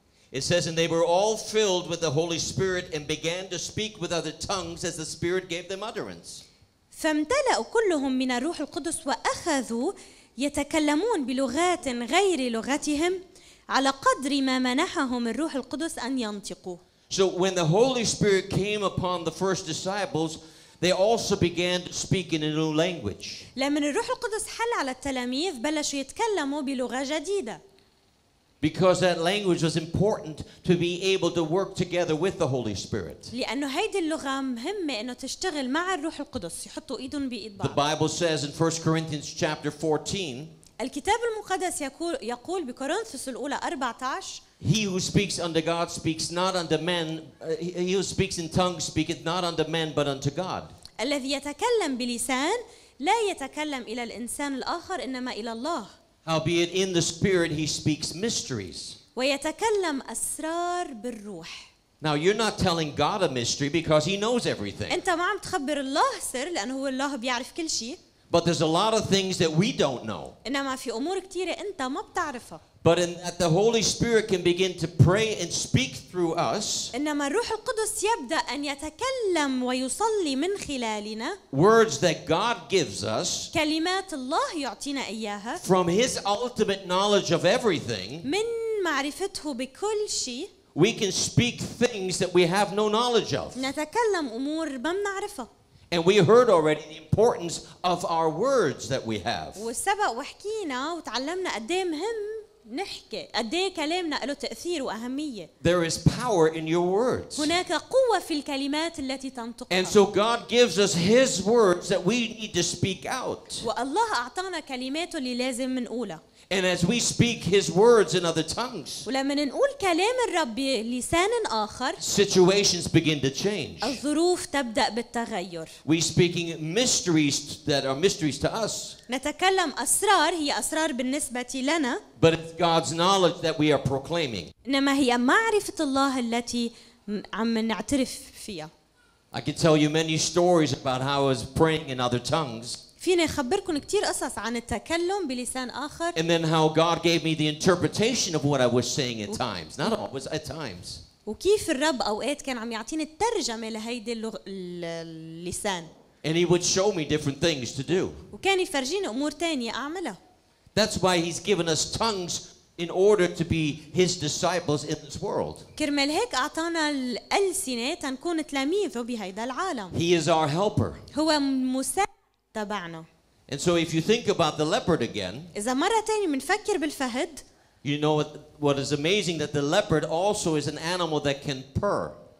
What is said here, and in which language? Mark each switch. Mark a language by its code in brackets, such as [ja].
[en] It says, and they were all filled with the Holy Spirit and began to speak with other tongues as the Spirit gave them utterance. [ar] فامتلأوا كلهم من الروح القدس وأخذوا يتكلمون بلغات غير لغتهم على قدر ما منحهم الروح القدس أن ينطقوا. [en] So when the Holy Spirit came upon the first disciples, they also began to speak in a new language. [ar] لمن الروح القدس حل على التلاميذ بلشوا يتكلموا بلغة جديدة. [en] Because that language was important to be able to work together with the Holy Spirit. [ar] لأنه هذه اللغة مهمة إنه تشتغل مع الروح القدس يحطوا إيدهم بإيد بعض. [en] The Bible says in 1 Corinthians chapter 14. [ar] الكتاب المقدس يقول بكورنثوس الأولى 14. [en] He who speaks unto God speaks not unto men. He who speaks in tongues speaketh not unto men but unto God. [ar] الذي يتكلم بلسان لا يتكلم إلى الإنسان الآخر إنما إلى الله. [en] Howbeit in the Spirit he speaks mysteries. [ar] ويتكلم أسرار بالروح. [en] Now you're not telling God a mystery because He knows everything. [ar] أنت ما عم تخبر الله سر لأنه هو الله بيعرف كل شيء. [en] But there's a lot of things that we don't know. [ar] إنما في أمور كتيرة أنت ما بتعرفها. [en] But in that the Holy Spirit can begin to pray and speak through us. [ar] إنما الروح القدس يبدأ أن يتكلم ويصلي من خلالنا. [en] Words that God gives us. [ar] كلمات الله يعطينا إياها. [en] From His ultimate knowledge of everything. [ar] من معرفته بكل شيء. [en] We can speak things that we have no knowledge of. [ar] نتكلم أمور ما بنعرفها. [en] And we heard already the importance of our words that we have. [ar] وسبق وحكينا وتعلمنا قديه مهم نحكي قديه كلامنا له تأثير وأهمية. [en] There is power in your words. [ar] هناك قوة في الكلمات التي تنطقها. [en] And so God gives us His words that we need to speak out. [ar] والله أعطانا كلماته اللي لازم نقولها. [en] And as we speak his words in other tongues, [ar] ولما نقول كلام الرب لسان آخر, [en] situations begin to change. [ar] الظروف تبدأ بالتغير. [en] We speaking mysteries that are mysteries to us. [ar] نتكلم أسرار هي أسرار بالنسبة لنا. [en] But it's God's knowledge that we are proclaiming. [ar] إنما هي معرفة الله التي عم نعترف فيها. [en] I can tell you many stories about how I was praying in other tongues. [ar] فيني أخبركم كتير قصص عن التكلم بلسان آخر. [en] And then how God gave me the interpretation of what I was saying at times. Not always, at times. [ar] وكيف الرب أوقات كان عم يعطيني الترجمة لهيدي اللسان. [en] And he would show me different things to do. [ar] وكان يفرجيني أمور تانية أعملها. [en] That's why he's given us tongues in order to be his disciples in this world. [ar] كرمال هيك أعطانا الألسنة تنكون تلاميذه بهيدا العالم. [en] He is our helper. [ar] هو مساعد. [en] And so if you think about the leopard again, [ar] إذا مرة تاني منفكر بالفهد, [en] you know what is amazing that the leopard also is an animal that can purr.